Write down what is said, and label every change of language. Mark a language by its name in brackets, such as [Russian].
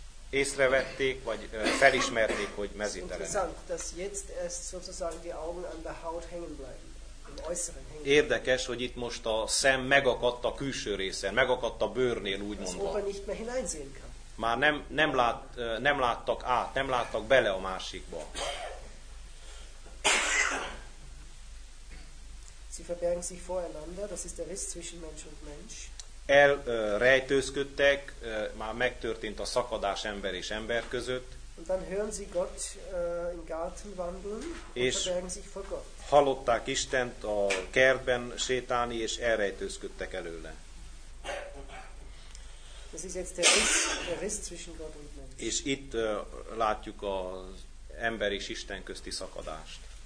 [Hungarian] Észrevették, vagy felismerték, hogy mezítelenek. [German] Interessant, dass jetzt erst sozusagen die Augen an der Haut hängen bleiben. Im äußeren hängen. [Hungarian] Érdekes, hogy itt most a szem megakadt a külső részen, megakadt a bőrnél, úgymondva. [German] Das Ohr nicht mehr hineinsehen kann. [Hungarian] Már nem láttak át, nem láttak bele a másikba. [German] Sie verbergen sich voreinander, das ist der Riss zwischen Mensch und Mensch. [Hungarian] Elrejtőzködtek, már megtörtént a szakadás ember és ember között. [German] Und dann hören sie Gott im Garten wandeln, [Hungarian] és [German] verbergen sich vor Gott. [Hungarian] Hallották Istent a kertben sétálni, és elrejtőzködtek előle. [German] Das ist jetzt der Riss zwischen Gott und Mensch. [Hungarian] És itt látjuk az ember és Isten közti szakadást.